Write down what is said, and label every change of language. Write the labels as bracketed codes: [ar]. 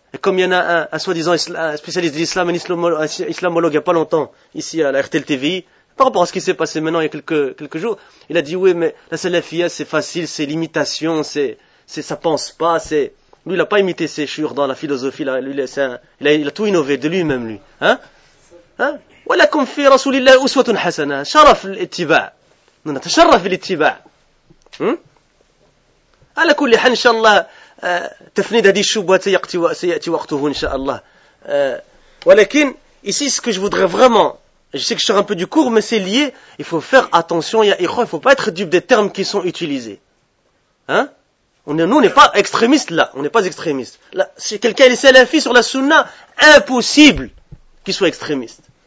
[fr] Et comme il y en a un soi-disant un spécialiste de l'islam, un islamologue, il n'y a pas longtemps, ici à la RTL TVI, par rapport à ce qui s'est passé maintenant, il y a quelques jours, il a dit, oui, mais la salafia, c'est facile, c'est l'imitation, c'est ça pense pas, c'est... Lui, il n'a pas imité ses chures dans la philosophie, là, lui, c'est un... il a tout innové de lui-même, lui. Hein? Hein? [ar] ولكم في رسول الله أسوة حسنة، شرف الاتباع، نتشرف بالاتباع. على كل حال إن شاء الله تفنيد هذه الشبهة سيأتي وقته إن شاء الله. ولكن [fr] ici ce que je voudrais vraiment, je sais que je sors un peu du cours, mais c'est lié. Il faut faire attention, il ne faut pas être dupe des termes qui sont utilisés. Hein? Nous, on n'est pas extrémistes là. On n'est pas extrémistes. Là, si quelqu'un est salafi sur la sunna, impossible qu'il soit extrémiste.